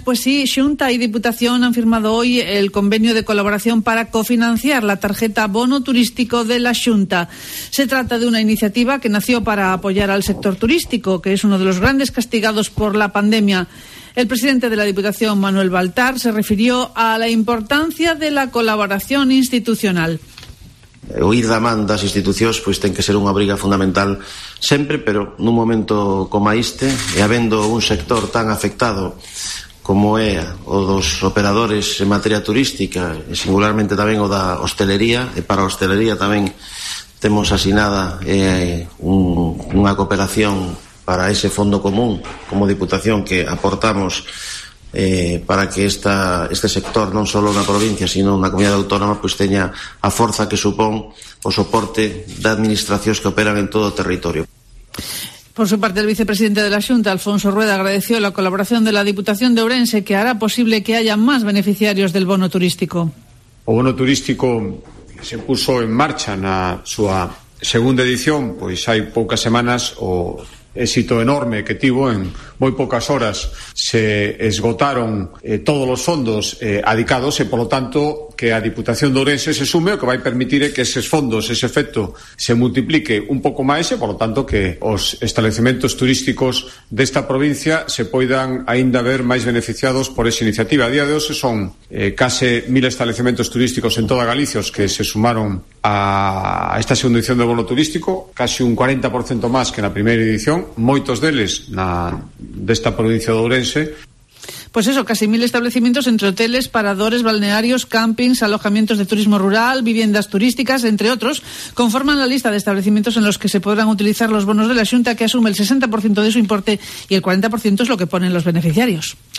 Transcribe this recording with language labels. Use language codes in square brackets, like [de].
[es] Pues sí, Xunta y Diputación han firmado hoy el convenio de colaboración para cofinanciar la tarjeta bono turístico de la Xunta. Se trata de una iniciativa que nació para apoyar al sector turístico, que es uno de los grandes castigados por la pandemia. El presidente de la Diputación, Manuel Baltar, se refirió a la importancia de la colaboración institucional. [gl] Oír da man das institucións pois ten que ser unha obriga fundamental sempre, pero nun momento como este, e habendo un sector tan afectado como é o dos operadores en materia turística, e singularmente tamén o da hostelería, e para a hostelería tamén temos asinada unha cooperación para ese fondo común como diputación que aportamos para que este sector, non só na provincia, sino na comunidade autónoma, pois teña a forza que supón o soporte de administracións que operan en todo o territorio. [es] Por su parte, el vicepresidente de la Xunta, Alfonso Rueda, agradeció la colaboración de la Diputación de Ourense, que hará posible que haya más beneficiarios del bono turístico. [gl] O bono turístico [es] se puso en marcha [gl] na súa segunda edición, pois hai poucas semanas, o éxito enorme que tivo. En moi pocas horas se esgotaron todos os fondos adicados, e polo tanto que a Diputación de Ourense se sume, o que vai permitir que eses fondos, ese efecto, se multiplique un pouco máis, e polo tanto que os establecementos turísticos desta provincia se poidan aínda ver máis beneficiados por esa iniciativa. A día de hoxe son case 1000 establecementos turísticos en toda Galicia os que se sumaron a esta segunda edición do bono turístico, casi un 40% máis que na primeira edición, moitos deles na desta provincia de Ourense. [es] Pues eso, casi 1000 establecimientos, entre hoteles, paradores, balnearios, campings, alojamientos de turismo rural, viviendas turísticas, entre otros, conforman la lista de establecimientos en los que se podrán utilizar los bonos de la Xunta, que asume el 60% de su importe y el 40% es lo que ponen los beneficiarios.